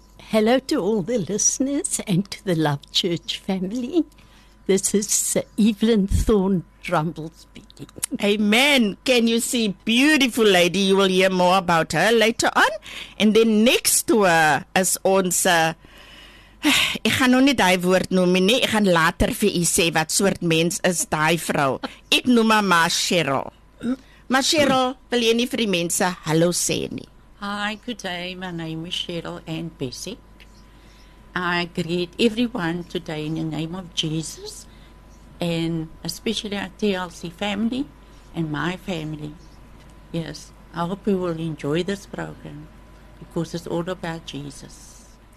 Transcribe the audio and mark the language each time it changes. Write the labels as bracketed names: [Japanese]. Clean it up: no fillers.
[English] Hello to all the listeners and to the Love Church family. This is Evelyn Thorne Drumble speaking. Amen. Can you see? Beautiful lady. You will hear more about her later on. And then next to her is [Afrikaans] ons... ek gaan nou nie die woord noem nie. Ek gaan later vir u sê wat soort mens is die vrou. Ek noem haar maar Cheryl. Maar Cheryl, wil jy nie vir die mense hallo sê nie? [English] Hi, good day. My name is Cheryl and Bessie. I greet everyone today in the name of Jesus, and especially our TLC family and my family. Yes, I hope you will enjoy this program because it's all about Jesus.